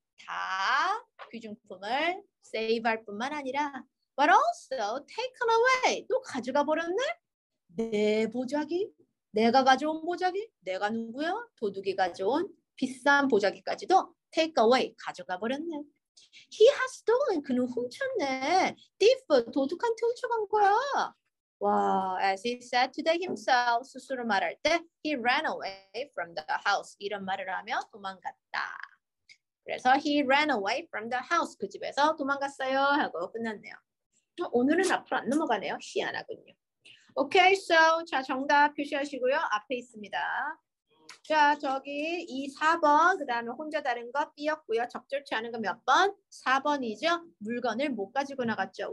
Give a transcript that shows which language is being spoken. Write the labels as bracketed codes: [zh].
[ko] 다 귀중품을 save 할 뿐만 아니라. [en] But also take it away. [ko] 또 가져가 버렸네? 내 보자기? 내가 가져온 보자기? 내가 누구야? 도둑이 가져온? 비싼 보자기까지도 take away, 가져가 버렸네. [en] He has stolen, [ko] 그는 훔쳤네. Thief, 도둑한테 훔쳐간 거야. [en] 와, as he said to the himself, [ko] 스스로 말할 때, [en] he ran away from the house. [ko] 이런 말을 하며 도망갔다. [en] 그래서 he ran away from the house. [ko] 그 집에서 도망갔어요 하고 끝났네요. 오늘은 앞으로 안 넘어가네요. 희한하군요. [en] Okay, so [ko] 자, 정답 표시하시고요. 앞에 있습니다. 자, 저기 이 4번, 그 다음에 혼자 다른 거 B였고요. 적절치 않은 거 몇 번? 4번이죠? 물건을 못 가지고 나갔죠.